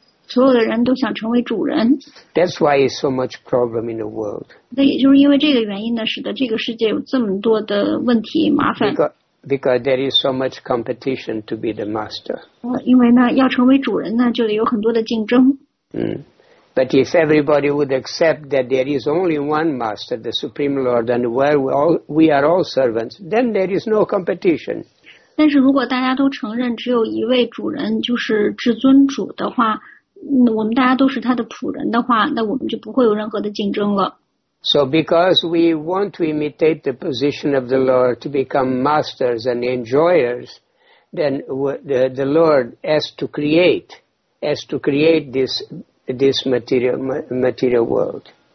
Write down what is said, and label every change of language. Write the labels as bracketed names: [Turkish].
[Chinese] 所有的人都想成为主人。 [English] That's why it's so much problem in the world. [Chinese] 那也就是因为这个原因呢，使得这个世界有这么多的问题麻烦。 [English] Because there is so much competition to be the master. [Chinese] 因为呢，要成为主人呢，就得有很多的竞争。 [English] But if everybody would accept that there is only one master, the Supreme Lord, and we are all servants, then there is no competition. [Chinese] 但是如果大家都承认只有一位主人，就是至尊主的话。我们大家都是他的仆人的话，那我们就不会有任何的竞争了。 [English] So because we want to imitate the position of the Lord to become masters and enjoyers, then the Lord has to create this material world.